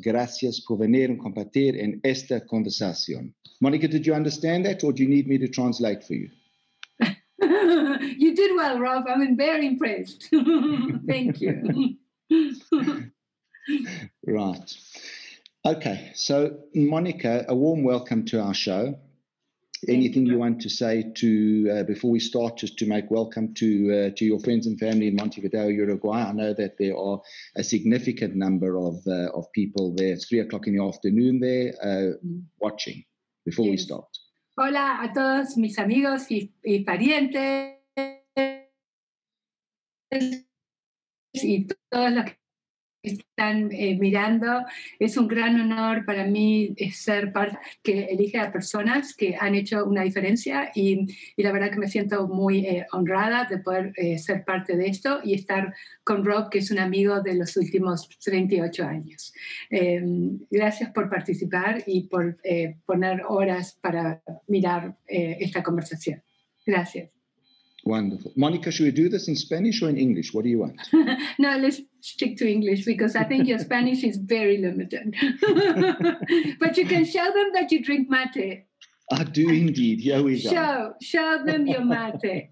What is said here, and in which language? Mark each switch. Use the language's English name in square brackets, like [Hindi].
[Spanish] Gracias por venir y compartir en esta conversación. [English] Monica, did you understand that, or do you need me to translate for you? You did well, Rob. I'm very impressed. Thank you. Right. Okay. So, Monica, a warm welcome to our show. Anything you want to say to before we start, just to make welcome to your friends and family in Montevideo, Uruguay? I know that there are a significant number of people there. It's 3 o'clock in the afternoon there, watching. Before we start. [Spanish] Hola a todos mis amigos y parientes y todos los que están mirando. Es un gran honor para mí ser parte que elige a personas que han hecho una diferencia y la verdad que me siento muy honrada de poder ser parte de esto y estar con Rob, que es un amigo de los últimos 38 años. Gracias por participar y por poner horas para mirar esta conversación. Gracias. [English] Wonderful. Monica, should we do this in Spanish or in English? What do you want? No, let's stick to English because I think your Spanish is very limited. But you can show them that you drink mate. I do indeed. Here we go. Show them your mate.